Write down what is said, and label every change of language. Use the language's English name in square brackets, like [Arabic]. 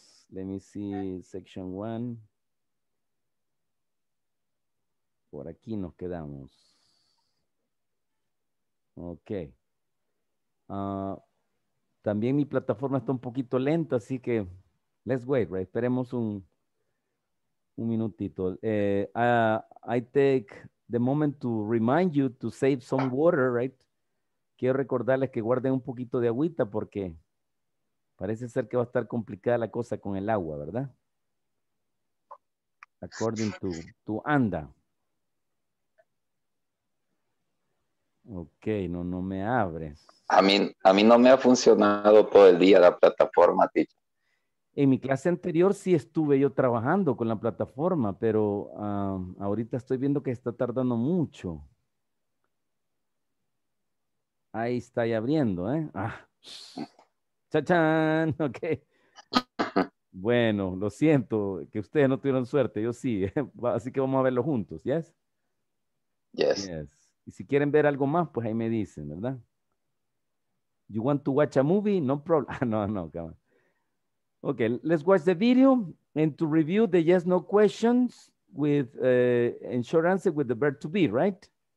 [English] Let me see section one. [Spanish] Por aquí nos quedamos. [English] Okay. [Spanish] También mi plataforma está un poquito lenta, así que [English] let's wait, right? [Spanish] Esperemos un minutito. [English] I take the moment to remind you to save some water, right? [Spanish] Quiero recordarles que guarden un poquito de agüita porque parece ser que va a estar complicada la cosa con el agua, ¿verdad? [English] According to Anda. [Spanish] Ok, no me abres. A mí no me ha funcionado todo el día la plataforma, teacher. En mi clase anterior sí estuve yo trabajando con la plataforma, pero ahorita estoy viendo que está tardando mucho. Ahí está ya abriendo, ¿eh? Ah. ¡Cha-chan! [English] Ok. [Spanish] Bueno, lo siento que ustedes no tuvieron suerte, yo sí. Así que vamos a verlo juntos, ¿yes? [English] Yes. Yes. [Spanish] Y si quieren ver algo más, pues ahí me dicen, ¿verdad? [English] You want to watch a movie? No problem. No, no, come on. Okay, let's watch the video and to review the yes, no questions with and short answer with the verb to be, right?